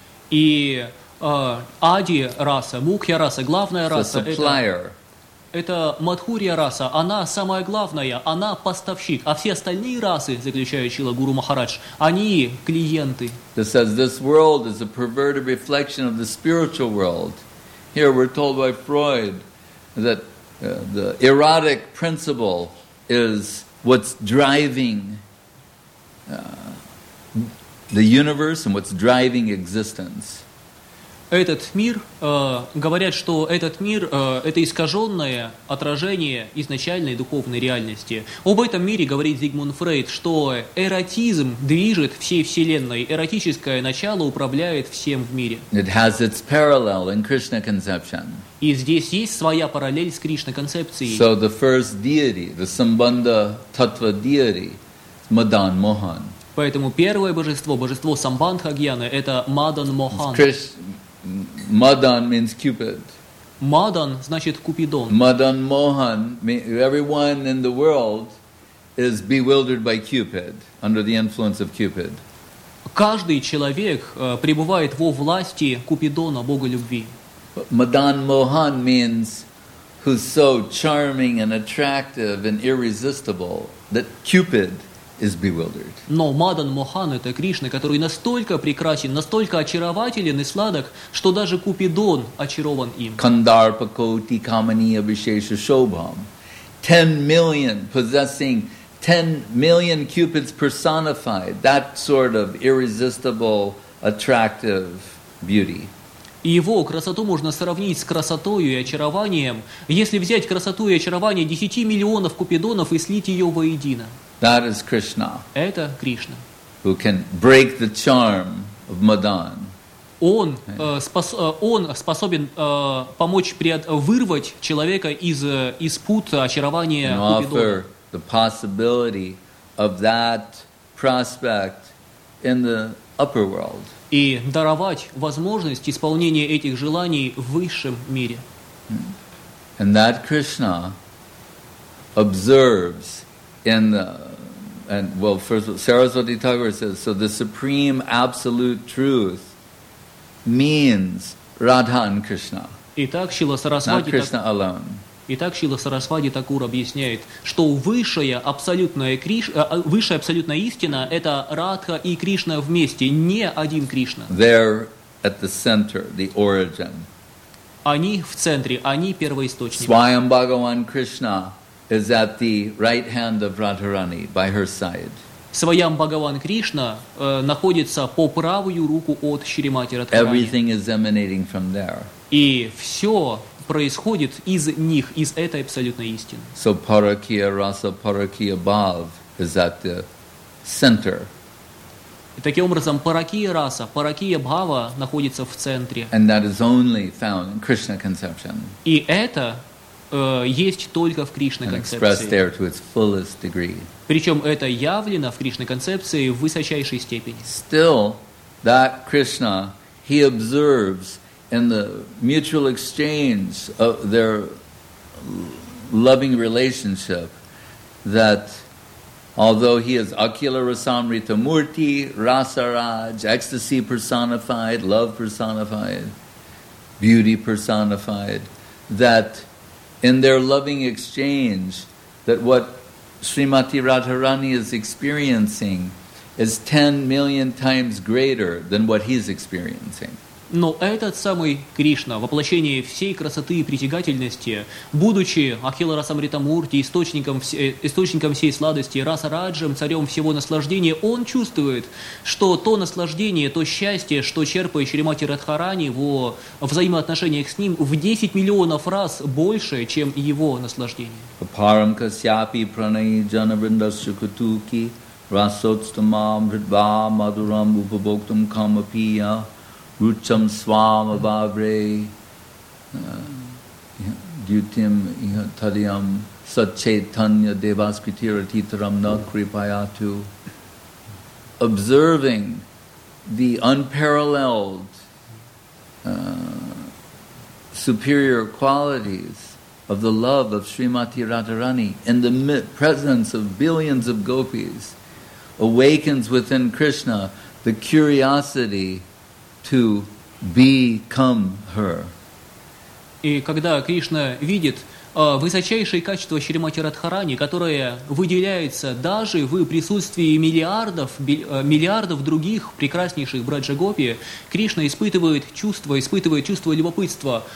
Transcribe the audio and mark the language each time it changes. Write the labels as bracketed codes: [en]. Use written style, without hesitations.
[ru] И Ади раса, Мукхья раса, главная раса, это Мадхурья раса, она самая главная, она поставщик. А все остальные расы, заключает Шрила Гуру Махарадж, они клиенты. [en] This says this world is a perverted reflection of the spiritual world. Here we're told by Freud that the erotic principle is what's driving the universe and what's driving existence. [ru] Этот мир, говорят, что этот мир это искаженное отражение изначальной духовной реальности. Об этом мире говорит Зигмунд Фрейд, что эротизм движет всей вселенной, эротическое начало управляет всем в мире. [en] It has its parallel in Krishna conception. [ru] И здесь есть своя параллель с Кришна концепцией. [en] So the first deity, the Sambandha Tattva deity, Madan Mohan. [ru] Поэтому первое божество, божество Самбандхагьяны, это Мадан Мохан. [en] Мадан means Cupid. [ru] Мадан значит Купидон. [en] Мадан Мохан, everyone in the world is bewildered by Cupid, under the influence of Cupid. [ru] Каждый человек пребывает во власти Купидона, Бога любви. [en] Мадан Мохан means who's so charming and attractive and irresistible that Cupid is bewildered. [ru] Но Мадан Мохан это Кришна, который настолько прекрасен, настолько очарователен и сладок, что даже Купидон очарован им. [sa] Kandarpa koti kamaniya vishesha shobham. [en] 10 million possessing 10 million Cupids personified, that sort of irresistible, attractive beauty. [ru] Его красоту можно сравнить с красотою и очарованием, если взять красоту и очарование 10 миллионов Купидонов и слить ее воедино. [en] That is Krishna. [ru] Это Кришна. [en] Who can break the charm of Madan. [ru] Он, он способен помочь вырвать человека из пут очарования Купидона. [en] And offer the possibility of that prospect in the upper world. [ru] И даровать возможность исполнения этих желаний в высшем мире. [en] And that Krishna observes in the And well, first of all, Saraswati Thakur says, so the supreme absolute truth means Radha and Krishna. [ru] Итак, Шрила Сарасвати, [en] not Krishna alone. [ru] Итак, Шрила Сарасвати Такур объясняет, что высшая абсолютная истина это Радха и Кришна вместе, не один Кришна. [en] Their at the center, the origin. [ru] Они в центре, они первоисточник. [en] Swayam Bhagavan Krishna is at the right hand of Radharani, by her side. [ru] Swayam Bhagavan Krishna находится по правую руку от Шримати Радхарани. [en] Everything is emanating from there. [ru] И все происходит из них, из этой абсолютной истины. [en] So Parakya Rasa Parakya Bhav is at the center. [ru] И таким образом, Паракия Раса, Паракия Бхава находится в центре. [en] And that is only found in Krishna conception. [ru] И это есть только в Кришна концепции. [en] And expressed there to its fullest degree. [ru] Причем это явлено в Кришна концепции в высочайшей степени. [en] Still, that Krishna, he observes in the mutual exchange of their loving relationship that although he is Akila Rasamrita Murti, Rasaraj, ecstasy personified, love personified, beauty personified, that in their loving exchange, that what Srimati Radharani is experiencing is 10 million times greater than what he's experiencing. [ru] Но этот самый Кришна, воплощение всей красоты и притягательности, будучи Ахилла Расамритамурти, источником всей сладости, Расараджем, царем всего наслаждения, он чувствует, что то наслаждение, то счастье, что черпает Шримати Радхарани во взаимоотношениях с ним, в 10 миллионов раз больше, чем его наслаждение. [sa] Апарам касяпи пранай джанавринда сукатуки, расоцтамам ридва мадурам упабоктам камапия, Rucham Swam Abhavre Dutim Tadiyam Satchetanya Devaskritira Titaram Nakripayatu. [en] Observing the unparalleled superior qualities of the love of Srimati Radharani in the presence of billions of gopis awakens within Krishna the curiosity to become her. [ru] И когда Кришна видит высочайшие качества Шримати Радхарани, которые выделяются даже в присутствии миллиардов других прекраснейших браджа-гопи, Кришна испытывает чувство любопытства.